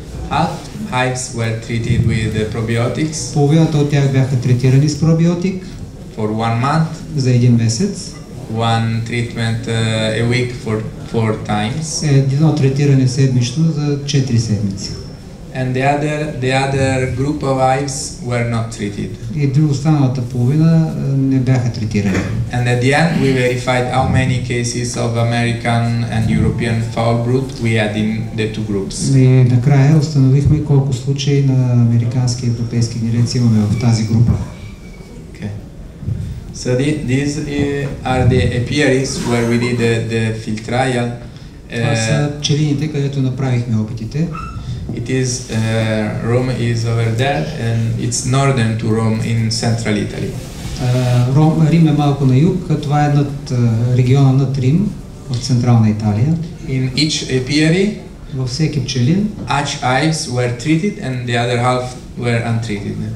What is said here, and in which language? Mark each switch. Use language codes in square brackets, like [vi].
[en] Half hives were treated with probiotics. [bg] Половината от тях бяха третирани с пробиотик. [en] For one month. [bg] За един месец. [en] One treatment a week for four times. [bg] Едно третиране седмично за 4 седмици. [en] And the other group of hives were not treated. [bg] И останалата половина не бяха третирани. [en] And at the end we verified how many cases of American and European fowl brood we had in the two groups. [bg] И накрая установихме колко случаи на американски и европейски гнилец имаме в тази група. [en] Okay. So these are the apiaries where we did the field trial. [bg] Това са пчелините, където направихме опитите. [en] It is Rome is over there and it's northern to Rome in central Italy. [bg] Рим е малко на юг, а това е над региона над Рим в централна Италия. [en] In each apiary, [bg] във всеки пчелин, [en] each hives were treated and the other half were untreated.